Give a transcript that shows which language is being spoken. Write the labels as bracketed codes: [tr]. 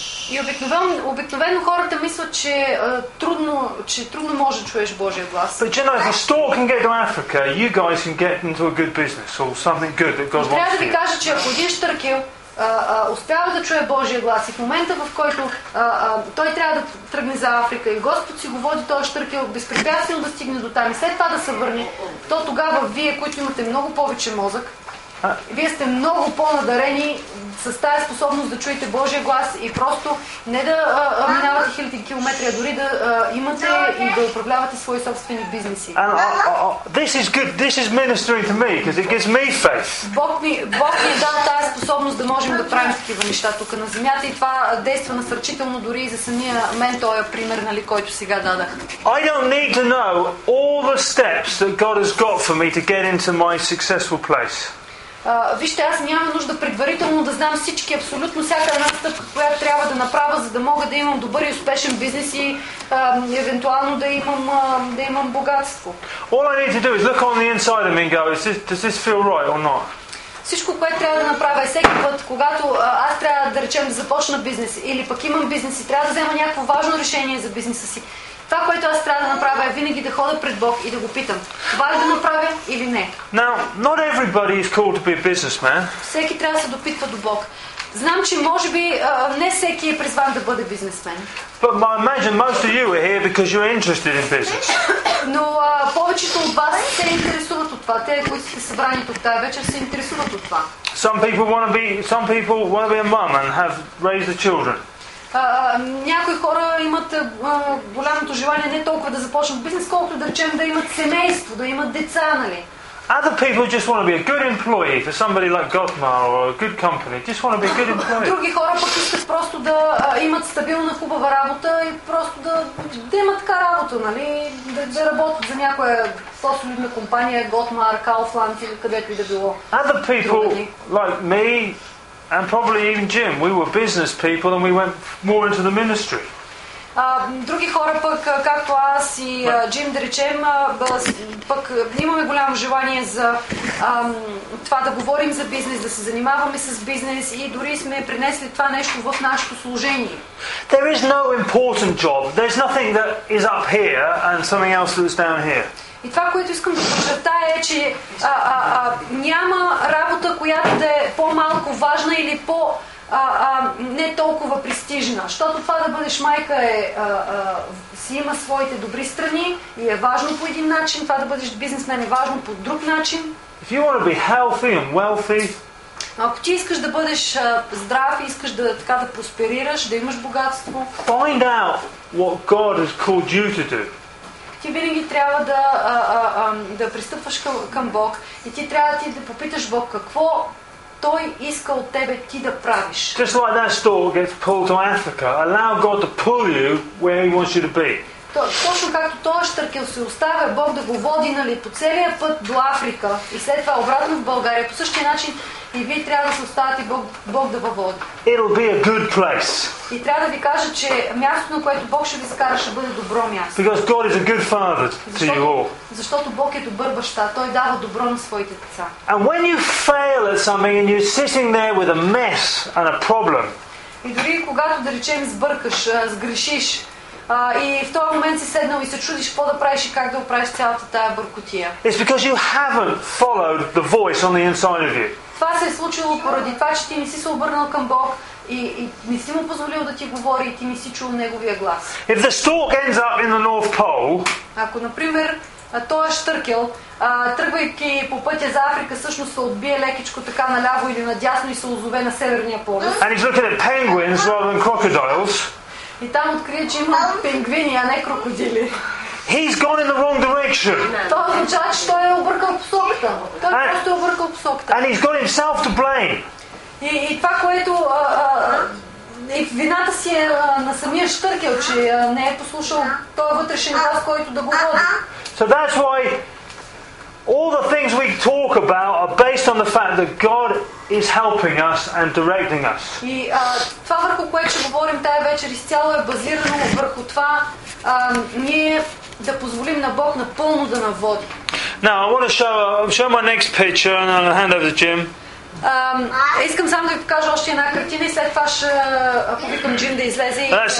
[bg] И обикновено хората мислят, че трудно може да чуеш Божия глас. [en] But you know, if a stork can get to Africa, you guys can get into a good business or something good that God wants. [bg] Трябва да ви кажа, че ако един щъркел успява да чуе Божия глас и в момента, в който той трябва да тръгне за Африка и Господ си го води този щъркел безпрепятствено да стигне до там и след това да се върне, то тогава вие, които имате много повече мозък, вие сте много по-надарени с тази способност да чуете Божия глас и просто не да минавате хиляди километри, а дори да имате и да управлявате свои собствени бизнеси. [en] This is good. This is ministering to me because it gives me faith. [bg] Бог ни е дал тази способност да можем да правим такива неща тук на земята и това действа насърчително дори и за самия мен, този пример, нали, който сега дадах. [en] I don't need to know all the steps that God has got for me to get into my successful place. [bg] Вижте, аз няма нужда предварително да знам всички, абсолютно всяка една стъпка, която трябва да направя, за да мога да имам добър и успешен бизнес и евентуално да имам богатство. [en] All I need to do is look on the inside of me and go, does this feel right or not? [bg] Всичко, което трябва да направя е всеки път, когато аз трябва да речем да започна бизнес или пък имам бизнес и трябва да взема някакво важно решение за бизнеса си. Това, което аз трябва да направя, е винаги да ходя пред Бог и да го питам. Това ли да направя или не? [en] Now, not everybody is called to be a businessman. [bg] Всеки трябва да се допитва до Бог. Знам, че може би не всеки е призван да бъде бизнесмен. [en] But I imagine most of you are here because you're interested in business. [bg] Но повечето от вас се интересуват от това. Те, които сте събрани тук тази вечер, се интересуват от това. [en] Some people want to be a mom and have raised the children. [bg] Някои хора имат голямото желание не толкова да започнат бизнес, колкото да речем да имат семейство, да имат деца, нали? [en] Other people just want to be a good employee for somebody like Godmar or a good company. Just want to be a good employee. [bg] Други хора пък искат просто да имат стабилна, хубава работа и просто да имат така работа, нали? Да работят за някоя по-солидна компания, Godmar, Kaufland или където и да било. [en] Other people like me and probably even Jim, we were business people and we went more into the ministry. [bg] Други хора пък, както аз и Джим, да речем, пък имаме голямо желание за това да говорим за бизнес, да се занимаваме с бизнес и дори сме принесли това нещо в нашето служение. [en] There is no important job. There's nothing that is up here and something else that is down here. [bg] И това, което искам да подчертая е, че няма работа, която да е по-малко важна или по не толкова престижна. Защото това да бъдеш майка си има своите добри страни и е важно по един начин. Това да бъдеш бизнесмен е важно по друг начин. [en] If you want to be healthy and wealthy, [bg] ако ти искаш да бъдеш здрав и искаш да просперираш, да имаш богатство, [en] find out what God has called you to do. [bg] ти винаги трябва да да пристъпваш към Бог и ти трябва ти да попиташ Бог какво Той иска от тебе ти да правиш. [en] Just like that stork gets pulled to Africa, allow God to pull you where He wants you to be. [bg] Точно както този щъркел се оставя Бог да го води, нали, по целия път до Африка и след това обратно в България, по същия начин и вие трябва да се оставяте Бог да води. [en] It'll be a good place. [bg] И трябва да ви кажа, че мястото, на което Бог ще ви скара, ще бъде добро място. [en] Because God is a good father to you all. [bg] Защото Бог е добър баща, Той дава добро на своите деца. [en] And when you fail at something and you're sitting there with a mess and a problem. [bg] И дори когато, да речем, сбъркаш, сгрешиш, и в този момент си седнал и се чудиш какво да правиш и как да оправиш цялата тая бъркотия. [en] It's because you haven't followed the voice on the inside of you. [bg] Това се е случило поради това, че ти не си се обърнал към Бог и не си му позволил да ти говори и ти не си чул неговия глас. [en] If the stork ends up in the North Pole, [bg] ако, например, той е щъркел, тръгвайки по пътя за Африка, всъщност се отбие лекичко така наляво или надясно и се озове на Северния полюс. [en] And he's looking at penguins rather than crocodiles. [bg] И там открие, че има пингвини, а не крокодили. [en] He's gone in the wrong direction. [bg] Това означава, че той е объркал посоката. Той просто е объркал посоката. [en] And he's got himself to blame. [bg] И това, което и вината си е на самия щъркел, че не е послушал този вътрешен глас, който да го води. [en] So that's why all the things we talk about are based on the fact that God is helping us and directing us. [bg] И това, върху което ще говорим тая вечер, изцяло е базирано върху това ние да позволим на Бог напълно да наводи. [en] Now I want to show my next picture and I'll hand over to Jim. [bg] Искам само да ви покажа още една картина и след това ще повикам Джим да излезе.